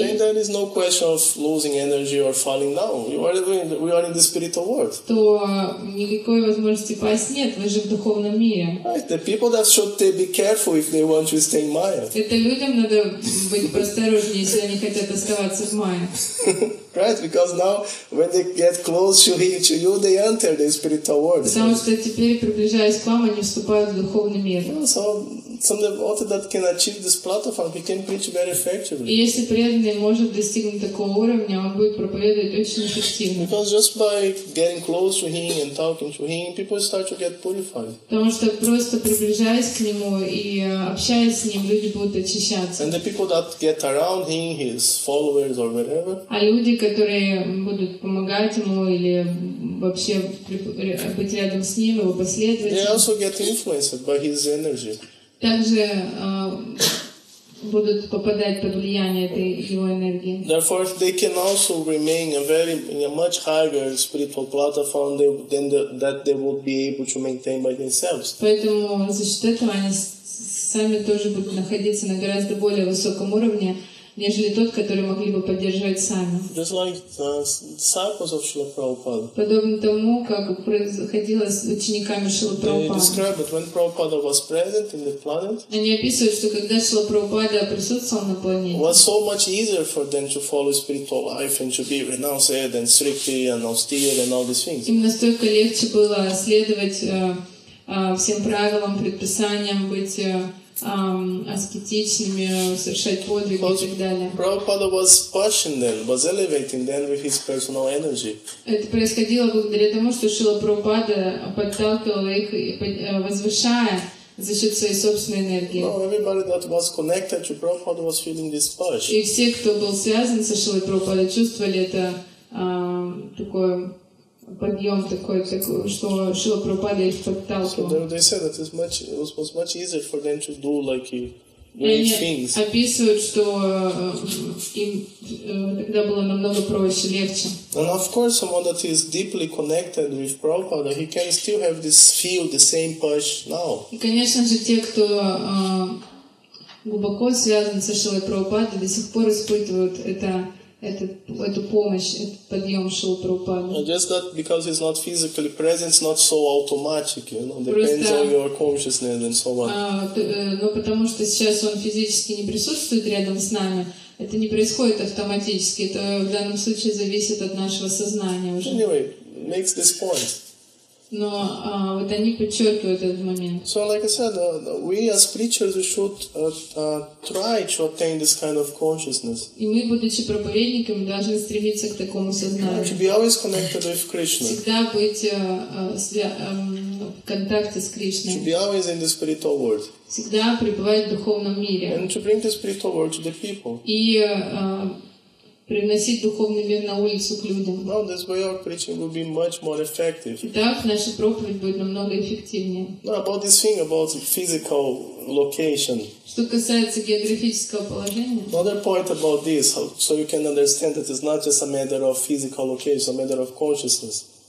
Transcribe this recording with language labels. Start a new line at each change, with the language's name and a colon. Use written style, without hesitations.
English: then there is no question of losing energy or falling down. We are in the spiritual world.
Russian: То никакой возможности пасть нет. Вы же в духовном мире.
English: Right. The people that should be careful if they want to stay in Maya.
Russian: Это людям надо быть осторожнее, если они хотят оставаться в Майе.
English: Right, because now when they get close to him, to you, they enter the spiritual world.
Russian: Потому что теперь приближаясь к вам, они вступают в духовный мир.
English: So some devotee that can achieve this platform, he can preach very effectively.
Russian: И если преданный может достигнуть такого уровня, он будет проповедовать очень эффективно.
English: Because just by getting close to him and talking to him, people start to get purified.
Russian: Потому что просто приближаясь к нему и общаясь с ним, люди будут очищаться.
English: And the people that get around him, his followers or whatever.
Russian: Люди, которые будут помогать ему или вообще быть рядом с ним, его последователи.
English: They also get influenced by his energy.
Russian: Также будут попадать под влияние этой его энергии.
English: Therefore, they can also remain in a much higher spiritual platform than that they would be able to maintain by themselves.
Russian: Поэтому за счет этого они сами тоже будут находиться на гораздо более высоком уровне, нежели тот, который могли бы поддерживать сами.
English: Just like the disciples of Srila Prabhupada.
Russian: Подобно тому, как происходило с учениками Шрилы Прабхупады.
English: They describe that when Prabhupada was present in the planet.
Russian: Они описывают, что когда Шрила Прабхупада присутствовал на планете.
English: It was so much easier for them to follow spiritual life and to be renounced and strictly and austere and all these things.
Russian: Им настолько легче было следовать всем правилам, предписаниям, быть аскетичными, совершать подвиги и так далее.
English: Prabhupada was pushing them, was elevating them with his personal energy.
Russian: Это происходило благодаря тому, что Шрила Прабхупада подталкивала их, возвышая за счет своей собственной энергии.
English: No, everybody that was connected to Prabhupada was feeling this push.
Russian: И все, кто был связан со Шрилой Прабхупадой, чувствовали это такое подъем такой, что Шрила Прабхупада их подталкивал.
English: So they said that it was much easier for them to do like great things.
Russian: Они описывают, что им тогда было намного проще, легче.
English: And of course, someone that is deeply connected with Prabhupada, he can still have this feel, the same push now.
Russian: И, конечно же, те, кто глубоко связан со Шрилой Прабхупадой, до сих пор испытывают это эту помощь, этот подъем Шрилы Прабхупады.
English: And just that because he's not physically present, it's not so automatic, you know, depends on your consciousness and so on.
Russian: Но потому что сейчас он физически не присутствует рядом с нами, это не происходит автоматически, это в данном случае зависит от нашего сознания уже.
English: Anyway, makes this point.
Russian: Но вот они подчеркивают этот момент.
English: So, like I said, we as preachers we should try to attain this kind of consciousness.
Russian: И мы, будучи проповедниками, должны стремиться к такому сознанию.
English: To be always connected with Krishna.
Russian: Всегда быть в контакте с Кришной.
English: To be always in the spiritual world.
Russian: Всегда пребывать в духовном мире.
English: And to bring the spiritual world to the people.
Russian: И приносить духовный мир на улицу к людям.
English: Now this way our preaching will be much more effective.
Russian: Так наша проповедь будет намного эффективнее.
English: Now about this thing about physical location.
Russian: Что касается географического положения.
English: Another point about this, so you can understand that it's not just a matter of physical location, it's a matter of consciousness.